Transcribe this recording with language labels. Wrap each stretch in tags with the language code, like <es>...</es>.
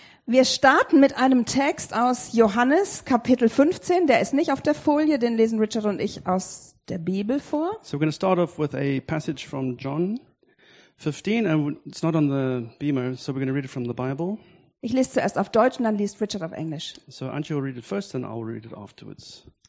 <de>Wir starten mit einem Text aus Johannes Kapitel 15. Der ist nicht auf der Folie, den lesen Richard und ich aus der Bibel vor.</de> <en>So we're going to start off with a passage from John 15. It's not on the Beamer, so we're going to read it from the Bible.</en> <de>Ich lese zuerst auf Deutsch und dann liest Richard auf Englisch.</de> <en>So Antje will read it first and I'll read it afterwards.</en>